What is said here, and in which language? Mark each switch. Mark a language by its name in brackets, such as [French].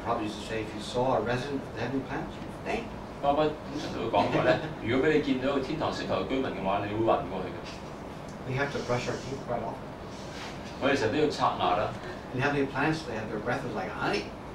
[English] probably to say, if you saw a resident of the heavenly planets, you'd faint. [Cantonese] 巴巴通常都會講過咧，如果俾你見到天堂星球居民嘅話，你會暈過去嘅。 [English] We have to brush our teeth quite often. [Cantonese] 我哋成日都要刷牙啦。 [English] In the heavenly planets, they have their breath is like honey.